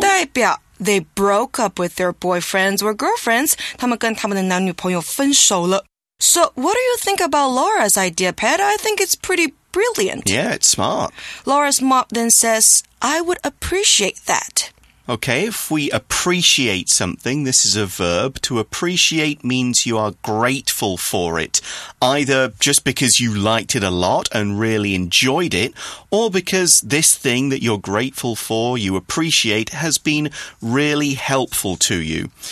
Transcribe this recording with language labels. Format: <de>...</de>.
<zh>代表</zh> <en>they broke up with their boyfriends or girlfriends.</en> <zh>他们跟他们的男女朋友分手了。</zh> <en>So what do you think about Laura's idea, Pat? I think it's pretty brilliant. Yeah, it's smart. Laura's mom then says,I would appreciate that. Okay, if we appreciate something, this is a verb. To appreciate means you are grateful for it, either just because you liked it a lot and really enjoyed it, or because this thing that you're grateful for, you appreciate, has been really helpful to you.</en>